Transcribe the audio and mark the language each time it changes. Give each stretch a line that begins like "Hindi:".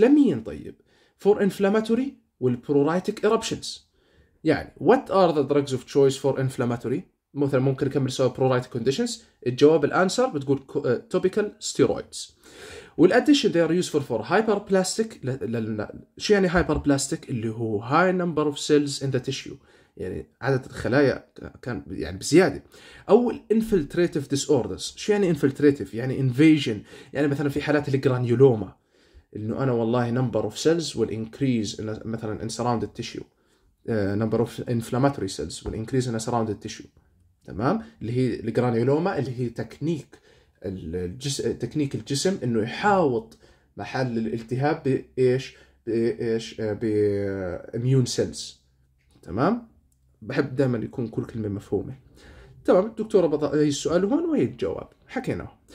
Arabic: لمين طيب؟
English: for inflammatory والpruritic eruptions. يعني what are the drugs of choice for inflammatory؟
Arabic: مثلا ممكن نكمل سوا
English: pruritic conditions.
Arabic: الجواب الانسر بتقول topical steroids.
English: والaddition they are used for hyperplastic.
Arabic: شو يعني hyperplastic؟ اللي هو
English: high number of cells in the tissue،
Arabic: يعني عدد الخلايا كان يعني بزيادة.
English: أو infiltrative disorders. شو يعني infiltrative؟ يعني invasion،
Arabic: يعني مثلا في حالات الجرانيولوما، إنه أنا والله
English: number of cells will increase in مثلا in surrounded tissue، number of inflammatory cells will increase in a surrounded tissue.
Arabic: تمام، اللي هي الجرانيولوما، اللي هي تكنيك الجسم، تكنيك الجسم انه يحاوط محل الالتهاب بايش، بايش، باميون سيلز. تمام، بحب دائما يكون كل كلمه مفهومه. تمام الدكتور بضع السؤال هون وهي الجواب حكينا.